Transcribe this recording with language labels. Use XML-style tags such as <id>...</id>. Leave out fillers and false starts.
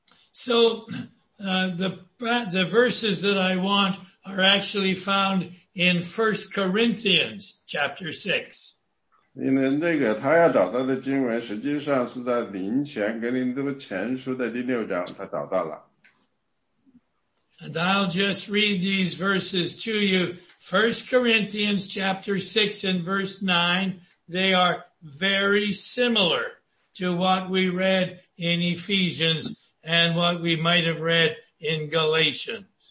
<en>So, the verses that I want are actually found in 1 Corinthians chapter 6.</en> <zh>因为那个他要找到的经文实际上是在临前格林多前书的第六章他找到了。</zh> <en>And I'll just read these verses to you. 1 Corinthians chapter 6 and verse 9, they are very similar to what we read in Ephesians and what we might have read in Galatians.</en>